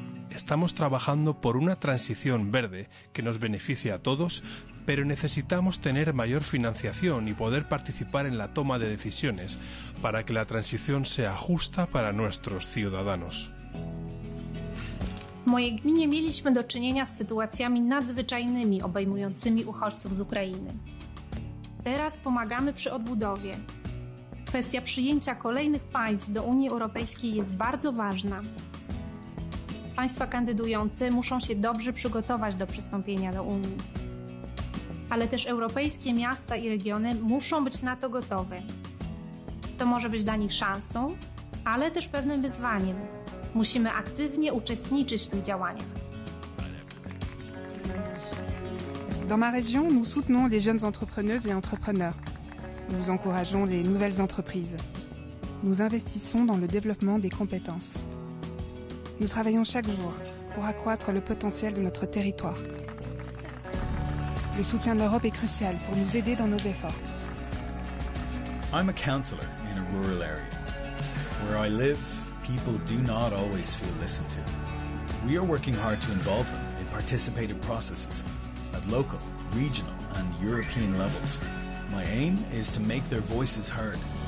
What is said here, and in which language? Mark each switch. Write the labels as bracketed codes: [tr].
[es] Estamos trabajando por una transición verde que nos beneficie a todos, pero necesitamos tener mayor financiación y poder participar en la toma de decisiones para que la transición sea justa para nuestros ciudadanos. [pl] W mojej gminie mieliśmy do czynienia z sytuacjami nadzwyczajnymi obejmującymi uchodźców z Ukrainy. Teraz pomagamy przy odbudowie. Kwestia przyjęcia kolejnych państw do Unii Europejskiej jest bardzo ważna. Państwa kandydujące muszą się dobrze przygotować do przystąpienia do Unii. Ale też europejskie miasta i regiony muszą być na to gotowe. To może być dla nich szansą, ale też pewnym wyzwaniem. Musimy aktywnie uczestniczyć w tych działaniach. [fr] Dans ma région, nous soutenons les jeunes entrepreneuses et entrepreneurs. Nous encourageons les nouvelles entreprises. Nous investissons dans le développement des compétences. Nous travaillons chaque jour pour accroître le potentiel de notre territoire. Le soutien de l'Europe est crucial pour nous aider dans nos efforts. [en] I'm a councillor in a rural area. Where I live, people do not always feel listened to. We are working hard to involve them in participative processes at local, regional, and European levels. My aim is to make their voices heard.